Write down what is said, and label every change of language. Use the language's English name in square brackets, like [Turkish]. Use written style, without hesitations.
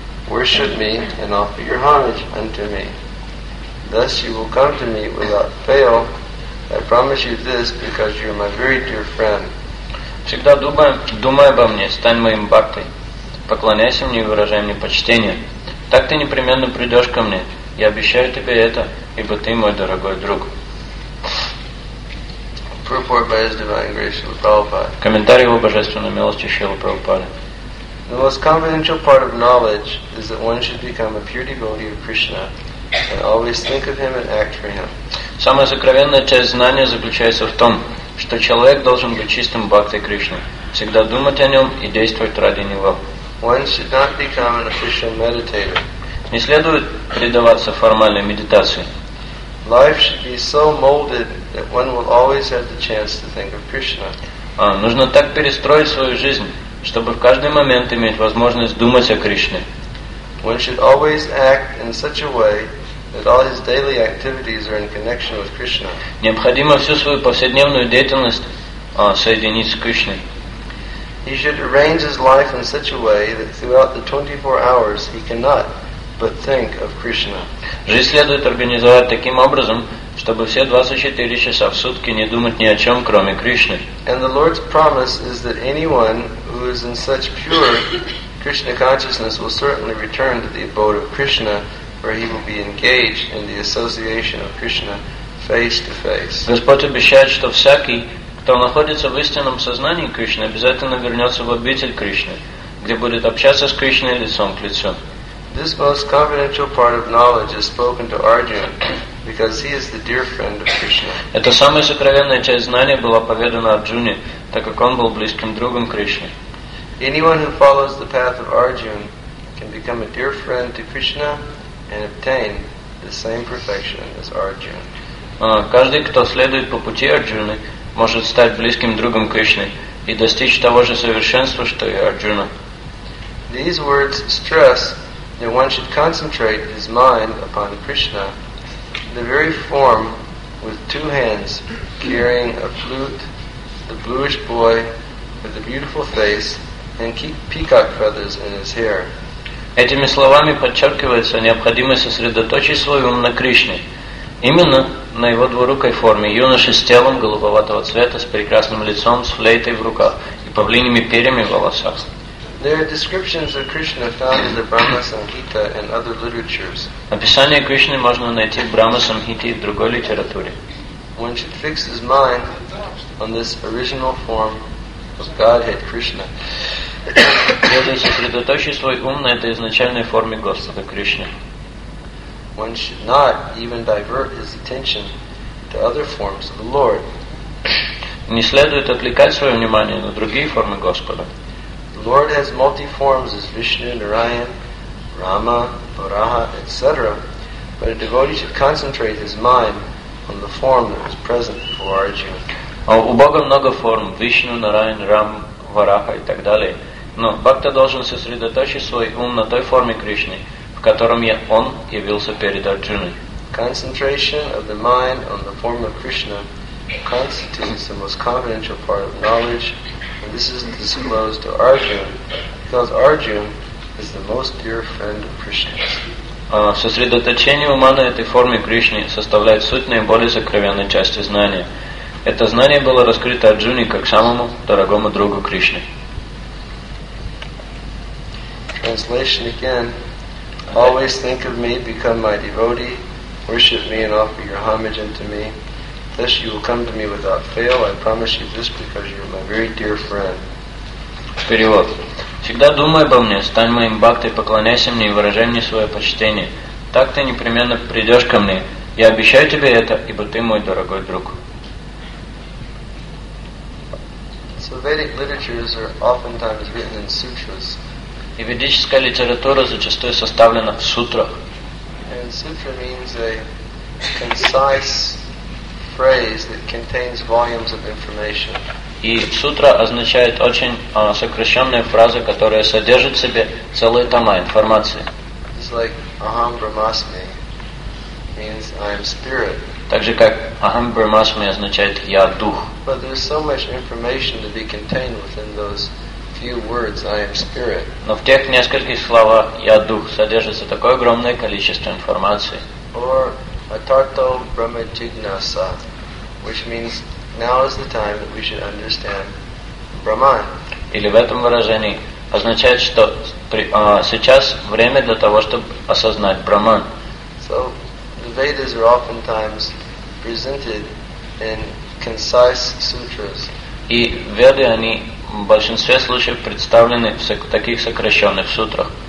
[English] Worship me and offer your homage unto me. Thus you will come to me without fail. I promise you this because you are my very dear friend. [Russian] Всегда думай обо мне, стань моим бхактой. Поклоняйся мне и выражай мне почтение. Так ты непременно придешь ко мне. Я обещаю тебе это, ибо ты мой дорогой друг. [English] Purport by His Divine Grace, Śrīla Prabhupāda. [Russian] Комментарий его божественной милости Śrīla Prabhupāda. [English] The most confidential part of knowledge is that one should become a pure devotee of Krishna and always think of him and act for him. [Russian] Самая сокровенная часть знания заключается в том, что человек должен быть чистым бхактой Кришны, всегда думать о нем и действовать ради него. [English] One should not become an official meditator. [Russian] Не следует предаваться формальной медитации. [English] Life should be so molded that one will always have the chance to think of Krishna. [Russian] Нужно так перестроить свою жизнь, чтобы в каждый момент иметь возможность думать о Кришне. [English] One should always act in such a way that all his daily activities are in connection with Krishna. [Russian] Необходимо всю свою повседневную деятельность соединить с Кришной. [English] He should arrange his life in such a way that throughout the 24 hours he cannot but think of Krishna. [Russian] Жизнь следует организовать таким образом, чтобы все 24 часа в сутки не думать ни о чем, кроме Кришны. [English] And the Lord's promise is that anyone who is in such pure Krishna consciousness will certainly return to the abode of Krishna, where he will be engaged in the association of Krishna face to face. [Russian] Господь обещает, что всякий, кто находится в истинном сознании Кришны, обязательно вернется в обитель Кришны, где будет общаться с Кришной лицом к лицу. [English] This most confidential part of knowledge is spoken to Arjuna because he is the dear friend of Krishna. [Russian] Эта самая сокровенная часть знания была поведана Арджуне, так как он был близким другом Кришны. [English] Anyone who follows the path of Arjuna can be become a dear friend to Krishna and obtain the same perfection as Arjuna. [Russian] Каждый, кто следует по пути Арджуны, может стать близким другом Кришны и достичь того же совершенства, что и Арджуна. [English] These words stress that one should concentrate his mind upon Krishna, the very form with two hands carrying a flute, the bluish boy with a beautiful face, and peacock feathers in his hair. [Russian] Этими словами подчеркивается необходимость сосредоточить свой ум на Кришне, именно на его двурукой форме, юноше с телом голубоватого цвета, с прекрасным лицом, с флейтой в руках и павлиньими перьями в волосах. [English] There are descriptions of Krishna found in the Brahma Samhita and other literatures. [Russian] Описание Кришны можно найти в Брахма Самхите и в другой литературе. [English] One should fix his mind on this original form of Godhead Krishna. [Russian] Следует сосредоточить свой ум на этой изначальной форме Господа Кришны. [English] One should not even divert his attention to other forms of the Lord. [Russian] Не следует отвлекать свое внимание на другие формы Господа. [English] The Lord has multi forms as Vishnu, Narayan, Rama, Varaha, etc. But a devotee should concentrate his mind on the form that was present before Arjuna. [Russian] У Бога много форм: Вишну, Нараян, Рам, Вараха и так далее. Но Бхакта должен сосредоточить свой ум на той форме Кришны, в котором он явился перед Арджуной. [English] Concentration of the mind on the form of Krishna constitutes the most confidential part of knowledge. And this is disclosed to Arjuna, because Arjuna is the most dear friend of Krishna. [Russian] Сосредоточение ума на этой форме Кришны составляет суть наиболее сокровенной части знания. Это знание было раскрыто Арджуне как самому дорогому другу Кришны. [English] Translation again. Always think of me, become my devotee, worship me and offer your homage unto me. Thus you will come to me without fail. I promise you this because you are my very dear friend. [Russian] Перевод. Всегда думай обо мне, стань моим бхактой, поклоняйся мне и выражай мне свое почтение. Так ты непременно придешь ко мне. Я обещаю тебе это, ибо ты мой дорогой друг. [English] So Vedic literatures are oftentimes written in sutras. [Russian] И ведическая литература зачастую составлена в сутрах. [English] And sutra means a concise phrase that contains volumes of information. [Russian] И сутра означает очень сокращенная фраза, которая содержит в себе целые тома информации. [English] It's like [Sanskrit] aham brahmasmi [English] means I am spirit. [Russian] Так же как [Sanskrit] aham brahmasmi [Russian] означает я дух. [English] But there's so much information to be contained within those few words I am spirit. [Russian] Но в тех нескольких словах я дух содержится такое огромное количество информации. [English] Or [Sanskrit] atarto brahma jignasa, [English] which means now is the time that we should understand Brahman. [Russian] Или в этом выражении означает, что сейчас время для того, чтобы осознать Брахман. [English] So the Vedas are oftentimes presented in concise sutras. [Russian] И Веды, они в большинстве случаев представлены в таких сокращенных сутрах.